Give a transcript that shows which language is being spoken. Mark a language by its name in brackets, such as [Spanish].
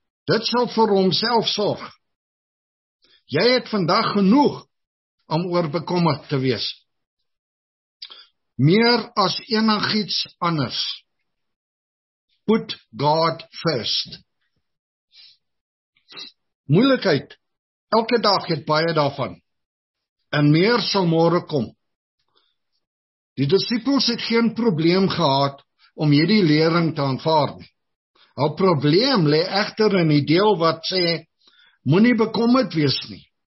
[Afrikaans] Dit sal vir homself sorg. Jy het vandag genoeg om oor bekommerd te wees. Meer as enigiets anders. [English] Put God first. [Afrikaans] Moeilikheid, elke dag het baie daarvan. En meer sal môre kom. Die disippels het geen probleem gehad om hierdie lering te aanvaard. Al probleem lê egter in die deel wat sê, moenie bekommerd wees nie.